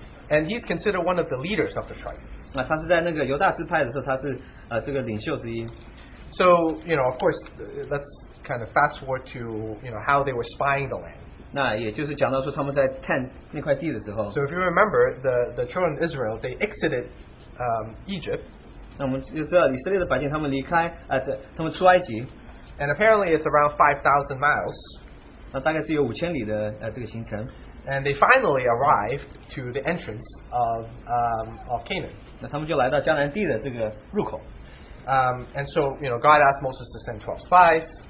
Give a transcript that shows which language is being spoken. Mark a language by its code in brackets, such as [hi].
[en] And he's considered one of the leaders of the tribe. [zh] 他是在那个犹大支派的时候，他是这个领袖之一。 [en] So, you know, of course, let's kind of fast forward to, you know, how they were spying the land. [zh] 那也就是讲到说他们在探那块地的时候。 [en] So if you remember, the children of Israel, they exited Egypt. [zh] 那我们就知道以色列的百姓他们离开，他们出埃及。 [en] And apparently it's around 5,000 miles. [zh] 那大概是有5000里的这个行程。 [en] And they finally arrived to the entrance of Canaan. [zh] 那他们就来到迦南地的这个入口。 [en] And so, you know, God asked Moses to send 12 spies.